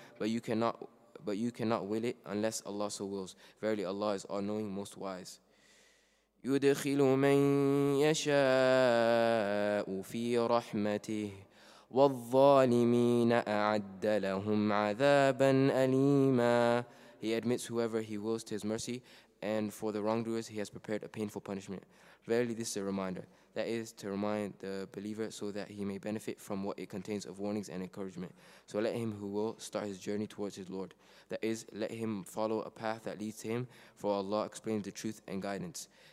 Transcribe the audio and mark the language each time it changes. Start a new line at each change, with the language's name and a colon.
English: But you cannot will it unless Allah so wills. Verily, Allah is all-knowing, most wise.
Arabic: يدخل من يشاء في رحمته والظالمين أعد لهم عذابا أليما.
English: He admits whoever he wills to his mercy, and for the wrongdoers he has prepared a painful punishment. Verily, this is a reminder. That is to remind the believer so that he may benefit from what it contains of warnings and encouragement. So let him who will start his journey towards his Lord. That is, let him follow a path that leads to him, for Allah explains the truth and guidance.